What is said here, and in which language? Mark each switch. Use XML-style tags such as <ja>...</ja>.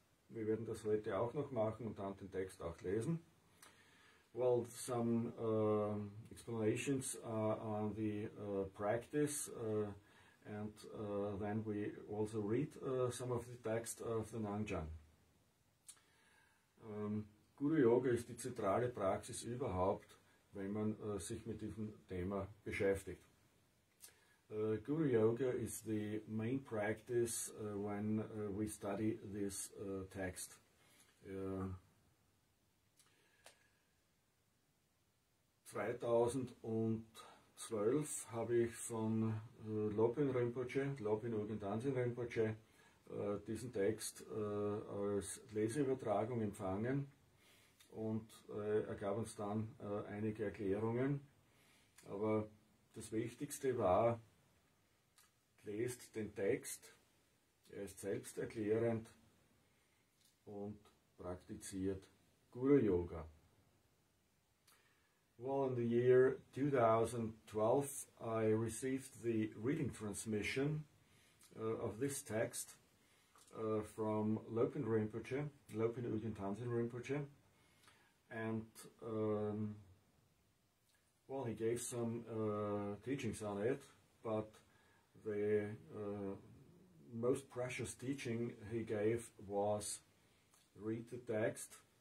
<de>Wir werden das heute auch noch machen und dann den Text auch lesen.</de> <en>Well, some explanations on the practice, and then we also read some of the text of the Nangjang.</en> <de>Guru Yoga ist die zentrale Praxis überhaupt, wenn man sich mit diesem Thema beschäftigt.</de> <en>Guru Yoga is the main practice when we study this text.</en> <de>Uh, 2012 habe ich von Lobin Rinpoche, Lobin Ugendansin Rinpoche, diesen Text als Leseübertragung empfangen, und er gab uns dann einige Erklärungen. Aber das Wichtigste war, lest den Text, er ist selbsterklärend, und praktiziert Guru Yoga.</de> <en>Well, in the year 2012, I received the reading transmission of this text from Lopin Rinpoche, Lopin Ujjain Tanzin Rinpoche, and well, he gave some teachings on it, but the most precious teaching he gave was read the text.</en>